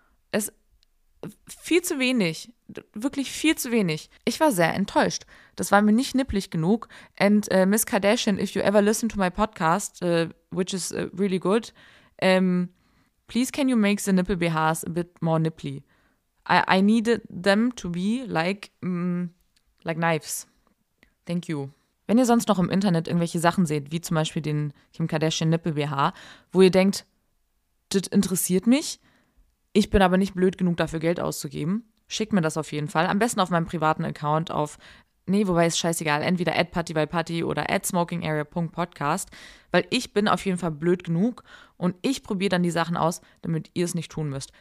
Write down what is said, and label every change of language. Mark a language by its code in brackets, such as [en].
[de] Es viel zu wenig, wirklich viel zu wenig. Ich war sehr enttäuscht. Das war mir nicht nipplig genug. [en] And Miss Kardashian, if you ever listen to my podcast, which is really good, please can you make the nipple BHs a bit more nipply? I need them to be like knives. Thank you. [de] Wenn ihr sonst noch im Internet irgendwelche Sachen seht, wie zum Beispiel den Kim Kardashian Nipple BH, wo ihr denkt, das interessiert mich, ich bin aber nicht blöd genug, dafür Geld auszugeben, schickt mir das auf jeden Fall. Am besten auf meinem privaten Account auf, wobei ist scheißegal, entweder @partybyparty oder @smokingarea.podcast, weil ich bin auf jeden Fall blöd genug und ich probiere dann die Sachen aus, damit ihr es nicht tun müsst.